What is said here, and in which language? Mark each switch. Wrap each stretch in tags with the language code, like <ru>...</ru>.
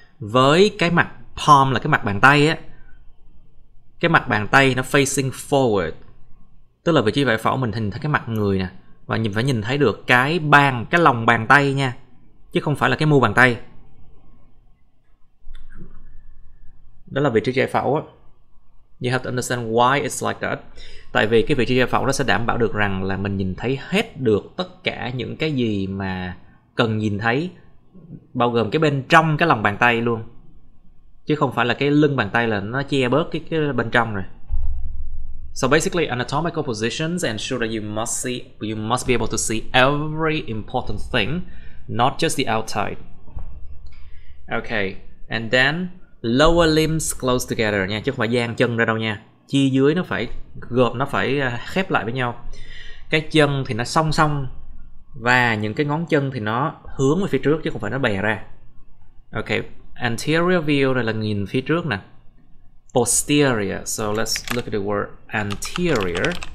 <vi>Với cái mặt palm là cái mặt bàn tay á, cái mặt bàn tay nó facing forward, tức là vị trí giải phẫu mình nhìn thấy cái mặt người nè, và nhìn phải nhìn thấy được cái lòng bàn tay nha, chứ không phải là cái mu bàn tay. Đó là vị trí giải phẫu á.</vi> <en>You have to understand why it's like that.</en> <vi>Tại vì cái vị trí giải phẫu nó sẽ đảm bảo được rằng là mình nhìn thấy hết được tất cả những cái gì mà cần nhìn thấy, bao gồm cái bên trong cái lòng bàn tay luôn, chứ không phải là cái lưng bàn tay là nó che bớt cái bên trong rồi.</vi> <en>So basically, anatomical positions ensure that you must be able to see every important thing, not just the outside. Okay. And then lower limbs close together</en> <vi>nha, chứ không phải dang chân ra đâu nha. Chi dưới nó phải gộp, nó phải khép lại với nhau. Cái chân thì nó song song và những cái ngón chân thì nó hướng về phía trước chứ không phải nó bè ra.</vi> <en>Ok, anterior view</en> <vi>là nhìn phía trước nè.</vi> <en>Posterior, so let's look at the word anterior.</en>